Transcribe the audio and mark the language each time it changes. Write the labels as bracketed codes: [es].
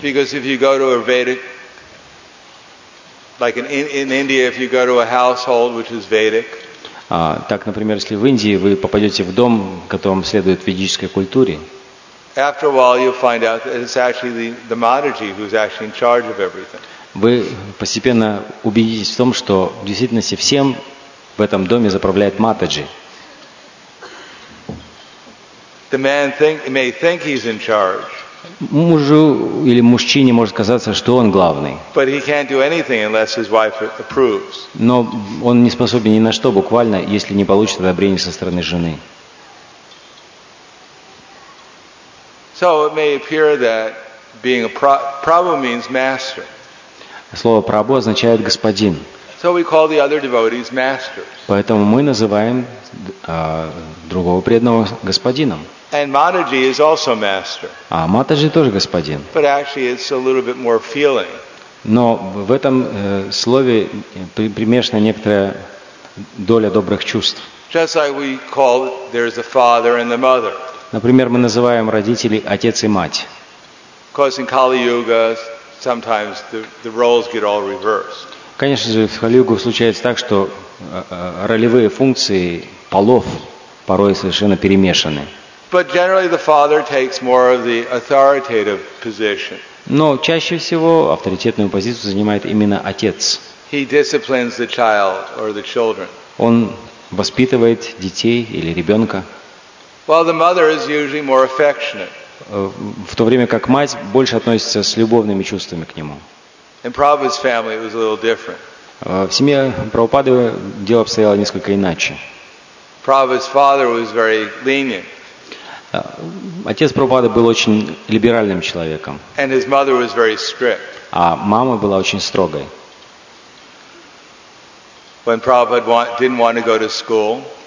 [en] Because if you go to a Vedic, like in India, if you go to a household which is Vedic. [ru] Так, например, если в Индии вы попадете в дом, которому следует ведической культуре. [en] After a while, you'll find out that it's actually the Mataji who's actually in charge of everything. [ru] Вы постепенно убедитесь в том, что в действительности всем в этом доме заправляет Матаджи. [en] The man may think he's in charge. [ru] Мужу или мужчине может казаться, что он главный. [en] But he can't do anything unless his wife approves. [ru] Но он не способен ни на что буквально, если не получит одобрение со стороны жены. [en] So it may appear that being a prabhu means master. [ru] Слово прабу означает господин. [en] So we call the other devotees masters. [ru] Поэтому мы называем другого преданного господином. [en] And Mataji is also master. [ru] А Матаджи тоже господин. [en] But actually, it's a little bit more feeling. [ru] Но в этом слове примешана некоторая доля добрых чувств. [en] Just like we call there's a father and the mother. [ru] Например, мы называем родителей отец и мать. [en] Because in Kali Yuga, sometimes the roles get all reversed. [ru] Конечно же, в Кали-Югу случается так, что ролевые функции полов порой совершенно перемешаны. [en] But generally the father takes more of the authoritative position. [ru] Но чаще всего авторитетную позицию занимает именно отец. [en] He disciplines the child or the children. [ru] Он воспитывает детей или ребенка. [en] While the mother is usually more affectionate. [ru] В то время как мать больше относится с любовными чувствами к нему. [en] In Prabhupada's family it was a little different. [ru] В семье Прабхупады дело обстояло несколько иначе. [en] Prabhupada's father was very lenient. [ru] Отец Прабхупады был очень либеральным человеком. [en] And his mother was very strict. [ru] А мама была очень строгой. [en] When Prabhupada didn't want to go to school,